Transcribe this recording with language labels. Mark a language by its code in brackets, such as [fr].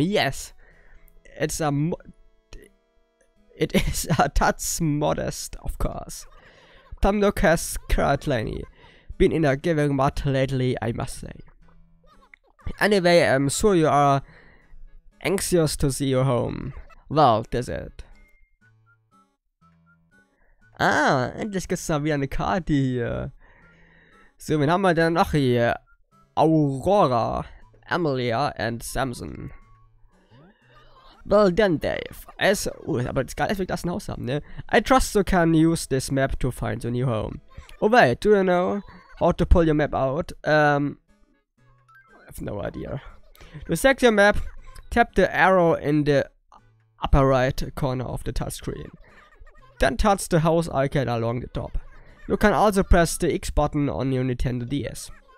[en] Yes, it is a touch modest, of course. Tom Nook has currently been in a giving mood lately, I must say. Anyway, I'm sure you are anxious to see your home. Well, that's it. [de] Ah, endlich gibt's da wieder eine Karte hier. So, wen haben wir denn noch hier? Aurora, Amelia and Samson. [en] Well then, Dave. [de] Aber das Geile ist, wir das ein Haus haben, ne? [en] I trust you can use this map to find your new home. Oh wait, do you know how to pull your map out? I have no idea. You select your map, Tap the arrow in the upper right corner of the touchscreen. Then touch the house icon along the top. You can also press the X button on your Nintendo DS.